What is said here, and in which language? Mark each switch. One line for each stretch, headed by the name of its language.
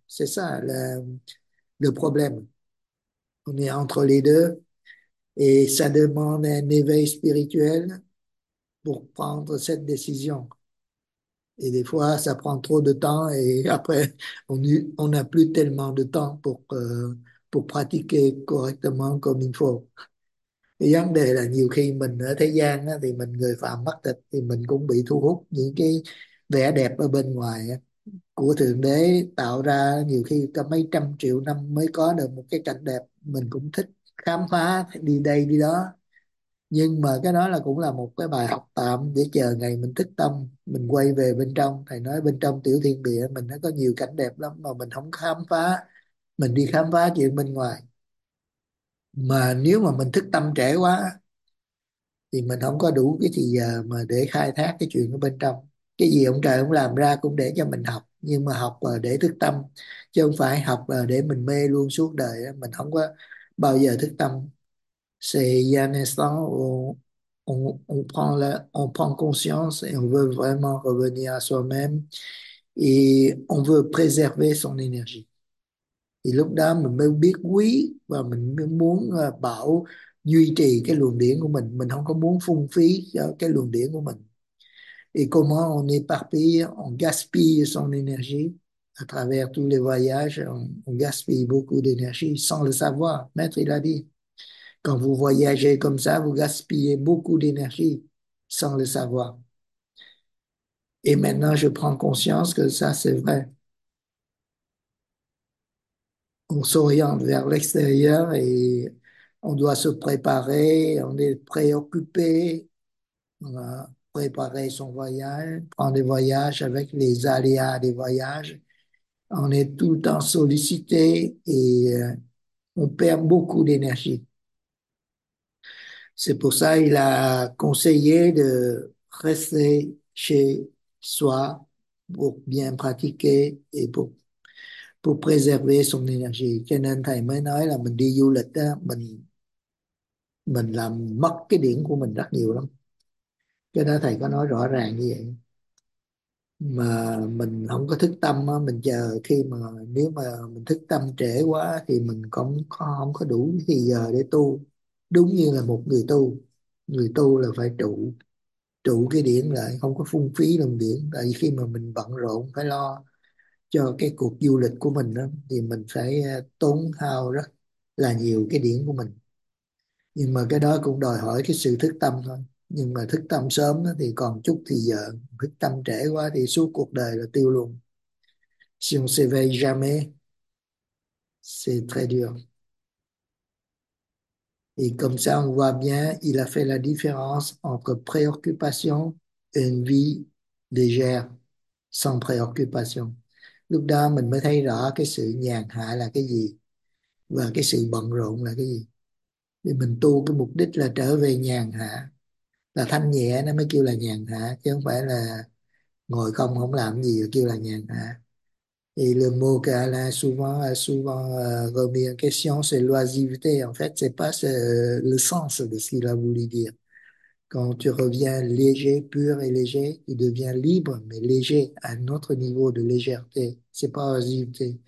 French: C'est ça le problème. On est entre les deux et ça demande un éveil spirituel pour prendre cette décision. Et des fois, ça prend trop de temps et après, on n'a plus tellement de temps pour pratiquer correctement comme il faut.
Vietnamese: Cái vấn đề là nhiều khi mình ở thế gian á, thì mình người phàm mắt thịt thì mình cũng bị thu hút những cái vẻ đẹp ở bên ngoài á, của Thượng Đế tạo ra. Nhiều khi có mấy trăm triệu năm mới có được một cái cảnh đẹp, mình cũng thích khám phá đi đây đi đó. Nhưng mà cái đó là cũng là một cái bài học tạm để chờ ngày mình thức tâm, mình quay về bên trong. Thầy nói bên trong tiểu thiên địa mình nó có nhiều cảnh đẹp lắm mà mình không khám phá, mình đi khám phá chuyện bên ngoài. Mà nếu mà mình thức tâm trễ quá thì mình không có đủ cái thì giờ mà để khai thác cái chuyện ở bên trong. Cái gì ông trời ông làm ra cũng để cho mình học, nhưng mà học là để thức tâm chứ không phải học là để mình mê luôn suốt đời. Mình không có bao giờ thức tâm.
French: C'est Yannis, on prend conscience et on veut vraiment revenir à soi-même et on veut préserver son énergie.
Vietnamese: Thì lúc đó mình mới biết quý và mình mới muốn bảo duy trì cái luồng điển của mình không có muốn phung phí cho cái luồng điển của mình.
French: Et comment on gaspille son énergie à travers tous les voyages, on gaspille beaucoup d'énergie sans le savoir. Maître, il a dit, quand vous voyagez comme ça, vous gaspillez beaucoup d'énergie sans le savoir. Et maintenant, je prends conscience que ça, c'est vrai. On s'oriente vers l'extérieur et on doit se préparer, on est préoccupé, on a préparé son voyage, prend des voyages avec les aléas des voyages, on est tout le temps sollicité et on perd beaucoup d'énergie. C'est pour ça qu'il a conseillé de rester chez soi pour bien pratiquer et pour préserver son énergie.
Vietnamese: Cho nên thầy mới nói là mình đi du lịch đó, mình làm mất cái điểm của mình rất nhiều lắm. Cho nên thầy có nói rõ ràng như vậy. Mà mình không có thức tâm đó, mình chờ khi mà nếu mà mình thức tâm trễ quá thì mình cũng không có đủ thì giờ để tu. Đúng như là một người tu, người tu là phải trụ trụ cái điển lại, không có phung phí đồng điển. Tại vì khi mà mình bận rộn phải lo cho cái cuộc du lịch của mình đó, thì mình phải tốn hao rất là nhiều cái điển của mình. Nhưng mà cái đó cũng đòi hỏi cái sự thức tâm thôi. Nhưng mà thức tâm sớm đó, thì còn chút thì giờ, thức tâm trễ quá thì suốt cuộc đời là tiêu luôn.
French: Si on se veille jamais, c'est très dur. Et comme ça, on voit bien, il a fait la différence entre préoccupation et une vie légère, sans préoccupation.
Vietnamese: Lúc đó mình mới thấy rõ cái sự nhàn hạ là cái gì và cái sự bận rộn là cái gì. Thì mình tu cái mục đích là trở về nhàn hạ, là thanh nhẹ nó mới kêu là nhàn hạ, chứ không phải là ngồi không không làm gì kêu là nhàn hạ.
French: Et le mot qu'elle a souvent remis en question, c'est l'oisiveté. En fait, c'est pas le sens de ce qu'il a voulu dire. Quand tu reviens léger, pur et léger, tu deviens libre, mais léger, à un autre niveau de légèreté. C'est pas oisiveté.